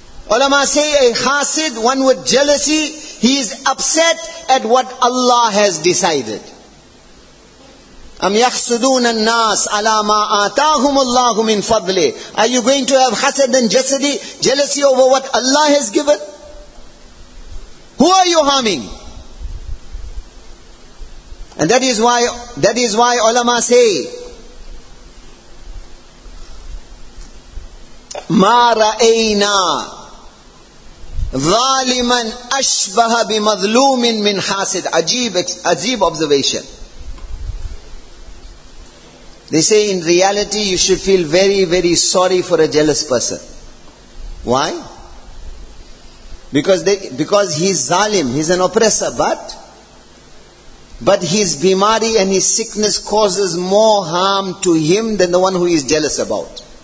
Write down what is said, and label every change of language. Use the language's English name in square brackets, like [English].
[English] Ulama say a hasid, one with jealousy, he is upset at what Allah has decided. [Arabic] أَمْ يَحْسُدُونَ النَّاسَ عَلَىٰ مَا آتَاهُمُ اللَّهُ مِنْ فَضْلِهِ. [English] Are you going to have hasad and jealousy over what Allah has given? Who are you harming? And that is why ulama say, [Arabic] مَا رَأَيْنَا ظَالِمًا أَشْبَهَ بِمَظْلُومٍ مِنْ حَاسِدٍ. [English] Ajeeb observation. They say in reality you should feel very, very sorry for a jealous person. Why? Because he's zalim, he's an oppressor, but his bimari and his sickness causes more harm to him than the one who he's jealous about.